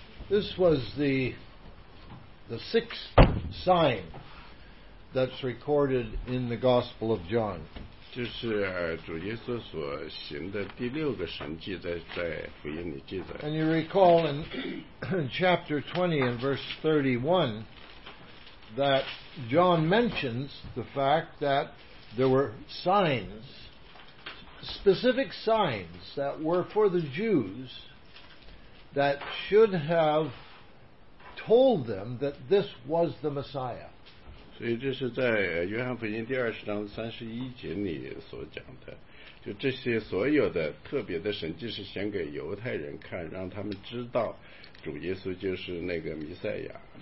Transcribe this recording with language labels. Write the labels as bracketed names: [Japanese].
[English] This was the sixth sign that's recorded in the Gospel of John. [Chinese] 这是主耶稣所行的第六个神迹，在福音里记载。 [English] And you recall in chapter 20 and verse 31 that John mentions the fact that there were signs, specific signs that were for the Jews that should have told them that this was the Messiah. [Chinese] 所以这是在约翰福音第二十章三十一节里所讲的，就这些所有的特别的神迹是显给犹太人看，让他们知道主耶稣就是那个弥赛亚。